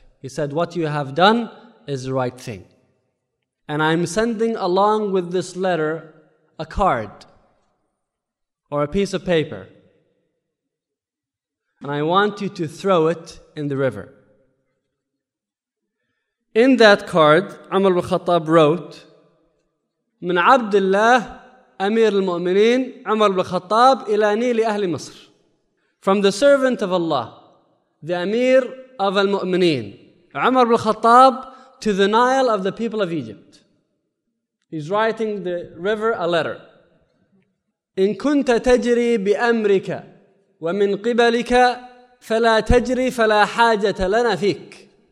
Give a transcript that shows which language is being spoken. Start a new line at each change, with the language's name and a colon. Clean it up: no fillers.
English: He said, "What you have done is the right thing. And I'm sending along with this letter a card or a piece of paper. And I want you to throw it in the river." In that card, Umar al-Khattab wrote,
Arabic: "من عبد الله أمير المؤمنين عمر بن الخطاب إلى نيل أهل مصر."
English: From the servant of Allah, the Amir of al-Mu'mineen, Umar ibn al-Khattab, to the Nile of the people of Egypt. He's writing the river a letter.
Arabic: إِن كُنْتَ تَجْرِي بِأَمْرِكَ وَمِنْ قِبَلِكَ فَلَا تَجْرِي فَلَا حَاجَةَ لَنَا فِيكَ.